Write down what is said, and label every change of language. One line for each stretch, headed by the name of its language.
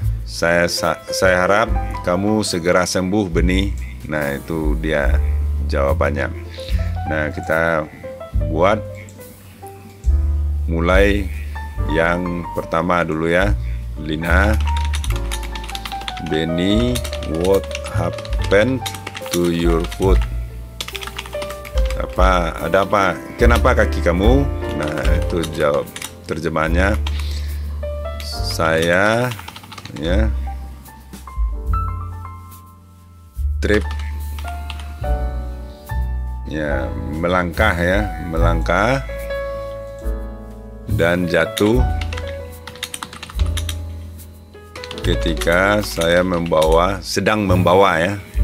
Indonesian: Saya harap kamu segera sembuh, Beni. Nah, itu dia jawabannya. Nah, kita buat mulai yang pertama dulu ya.
English: Lina, Beni, what happened to your foot?
Indonesian: Apa ada apa, kenapa kaki kamu? Nah, itu jawab terjemahannya. Saya ya trip, ya melangkah, ya melangkah dan jatuh ketika saya sedang membawa ya.